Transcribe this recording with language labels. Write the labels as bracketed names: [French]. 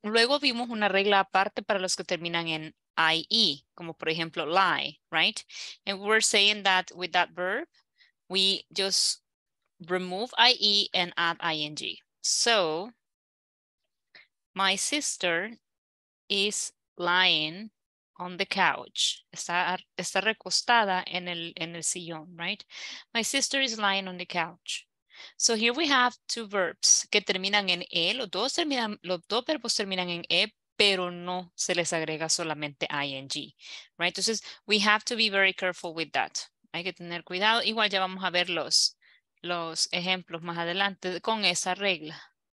[Spanish] Luego vimos una regla aparte para los que terminan en IE, como por ejemplo lie, right? [English] And we're saying that with that verb, we just remove IE and add ING. So, my sister is lying on the couch. [Spanish] Está recostada en el sillón, right? [English] My sister is lying on the couch. So here we have two verbs [Spanish] que terminan en E, los dos verbos terminan en E, pero no se les agrega solamente ing, right? [English] Entonces, we have to be very careful with that. [Spanish] Hay que tener cuidado. Igual ya vamos a ver los ejemplos más adelante con esa regla.